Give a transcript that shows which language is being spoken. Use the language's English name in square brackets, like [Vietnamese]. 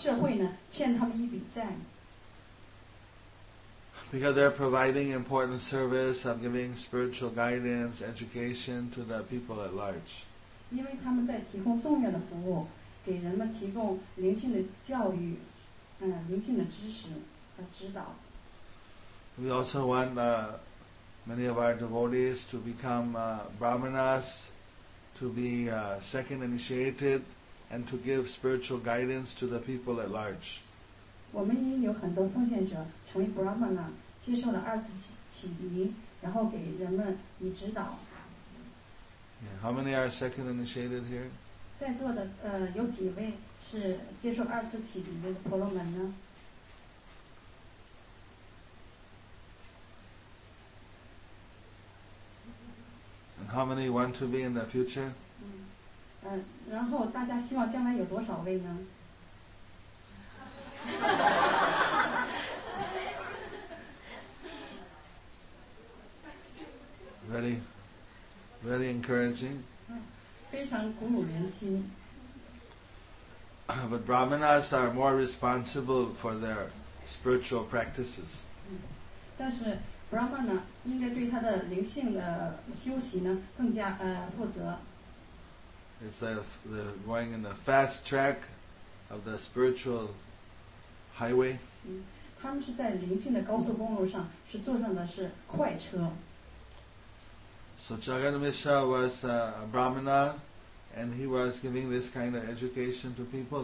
[Chinese] 对不起，是这个社会呢欠他们一笔债。 [English] Because they're providing important service of giving spiritual guidance, education to the people at large. [Chinese] 因为他们在提供重要的服务，给人们提供灵性的教育，灵性的知识和指导。 [English] We also want many of our devotees to become brahmanas, to be second initiated, and to give spiritual guidance to the people at large. [Chinese] 我们也有很多奉献者成为 brahmana。接受了二次洗礼，然后给人们以指导。 [English] Yeah, how many are second initiated here? [Chinese] 在座的有几位是接受二次洗礼的婆罗门呢？ [English] And how many want to be in the future? [Chinese] 然后大家希望将来有多少位呢？ [English] Very, very encouraging. [Chinese] 非常鼓舞人心。 [English] But brahmanas are more responsible for their spiritual practices. [Chinese] 但是 brahmana 应该对他的灵性的修习呢更加负责。 [English] It's like they're going in the fast track of the spiritual highway. [Chinese] 他们是在灵性的高速公路上是坐上的是快车。 [English] So Jagat Mishra was a brahmana and he was giving this kind of education to people.